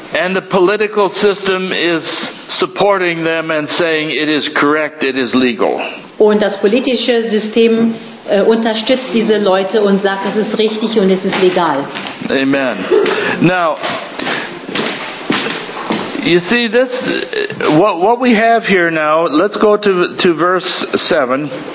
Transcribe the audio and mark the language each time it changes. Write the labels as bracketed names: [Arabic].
[English] And the political system is supporting them and saying it is correct, it is legal. [German] Und das politische System unterstützt diese Leute und sagt, es ist richtig und es ist legal. [English] Amen. Now, you see this, what we have here now, let's go to verse 7.